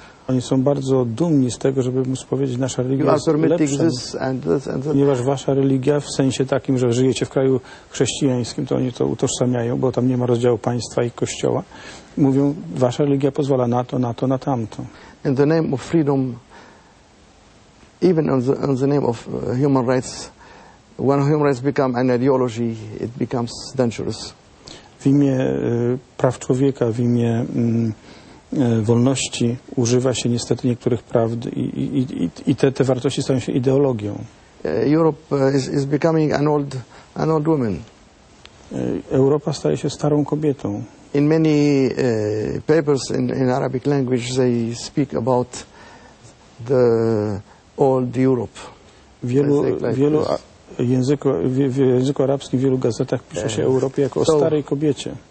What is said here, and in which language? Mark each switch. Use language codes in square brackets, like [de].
[pl] Oni są bardzo dumni z tego, żeby móc powiedzieć, nasza religia jest lepsza, ponieważ wasza religia w sensie takim, że żyjecie w kraju chrześcijańskim, to oni to utożsamiają, bo tam nie ma rozdziału państwa i kościoła. Mówią, wasza religia pozwala na to, na tamto. [en] In the name of freedom, even in the name of human rights, when human rights become an ideology, it becomes dangerous. [pl] W imię praw człowieka, w imię wolności używa się niestety niektórych prawd i te wartości stają się ideologią. [en] Europe is becoming an old woman. [pl] Europa staje się starą kobietą. [en] In many papers in Arabic language they speak about the old Europe. [pl] W języku arabskim, w wielu gazetach pisze się o Europie jako o starej kobiecie.